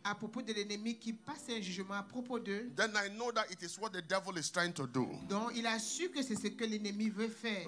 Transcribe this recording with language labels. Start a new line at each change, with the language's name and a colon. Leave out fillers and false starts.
French: À propos de l'ennemi qui passe un jugement à propos d'eux.
English: Then I know that it is what the devil is trying to do.
French: Donc il a su que c'est ce que l'ennemi veut faire.